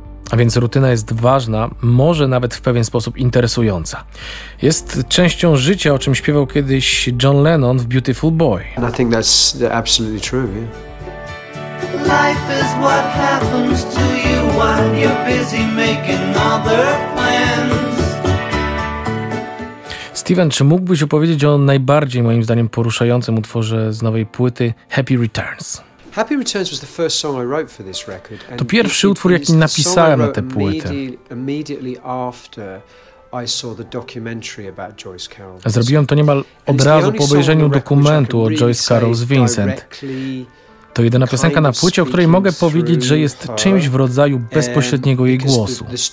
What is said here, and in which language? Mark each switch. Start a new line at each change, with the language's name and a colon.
Polish: A więc rutyna jest ważna, może nawet w pewien sposób interesująca. Jest częścią życia, o czym śpiewał kiedyś John Lennon w Beautiful Boy.
English: And I think that's absolutely true, yeah. Life is what happens to you while you're busy making other plans.
Polish: Steven, czy mógłbyś opowiedzieć o najbardziej, moim zdaniem, poruszającym utworze z nowej płyty Happy Returns?
English: Happy Returns was the first song I wrote for this record.
Polish: To pierwszy utwór, jaki napisałem na tę płytę.
English: Immediately after I saw the documentary about Joyce Carol.
Polish: Zrobiłem to niemal od razu po obejrzeniu dokumentu o Joyce Carol z Vincent. To jedyna piosenka na płycie, o której mogę powiedzieć, że jest czymś w rodzaju bezpośredniego jej głosu.